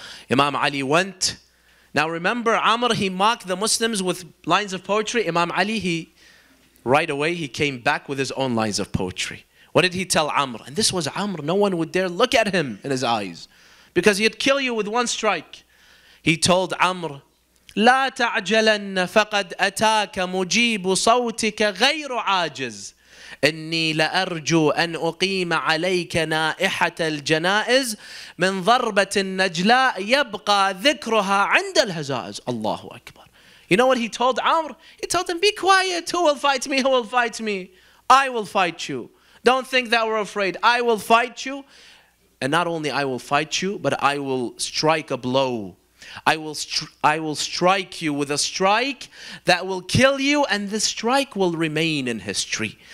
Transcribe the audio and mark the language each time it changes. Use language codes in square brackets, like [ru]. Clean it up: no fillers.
[en] Imam Ali went. Now remember, Amr, he mocked the Muslims with lines of poetry. Imam Ali, he right away, he came back with his own lines of poetry. What did he tell Amr? And this was Amr. No one would dare look at him in his eyes because he'd kill you with one strike. He told Amr, [ar] لا تعجلن فقد أتاك مجيب صوتك غير عاجز إني لأرجو أن أقيم عليك نائحة الجنائز من ضربة النجلاء يبقى ذكرها عند الهزائز الله أكبر. [en] You know what he told Amr? He told him, be quiet. Who will fight me? Who will fight me? I will fight you. Don't think that we're afraid. I will fight you. And not only I will fight you, but I will strike a blow. I will strike you with a strike that will kill you, and this strike will remain in history.